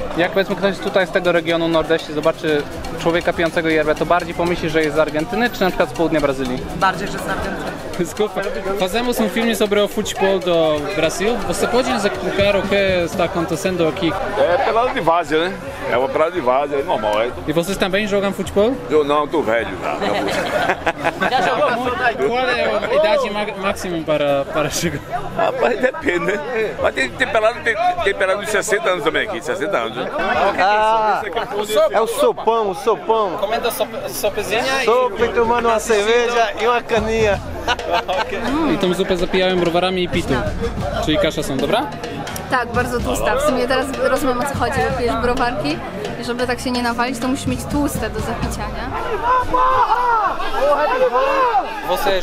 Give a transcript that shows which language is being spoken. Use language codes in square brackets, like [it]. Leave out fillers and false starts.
[pl] Jak powiedzmy ktoś tutaj z tego regionu Nordeste zobaczy człowieka pijącego yerbę, to bardziej pomyśli, że jest z Argentyny, czy na przykład z południa Brazylii? Bardziej, że z Argentyny. [pt] Desculpa. Fazemos um filme sobre o futebol do Brasil. Você pode nos explicar o que está acontecendo aqui? É pelada de várzea, né? É uma pelada de várzea, é normal, é. E vocês também jogam futebol? Eu não, tô velho já. Já jogou muito. Qual é a idade máxima para chegar? Rapaz, depende, né? Mas tem pelada de 60 anos também. Aqui, 60 anos. É o sopão, o sopão. Comenta sopezinha aí. Sopa e tomando uma cerveja e uma caninha. [pl] I tą zupę zapijałem browarami i pitu. Czyli kasza są, dobra? Tak, bardzo tłusta. W sumie teraz rozumiem, o co chodzi, bo pijesz browarki. I żeby tak się nie nawalić, to musisz mieć tłuste do zapicia, nie?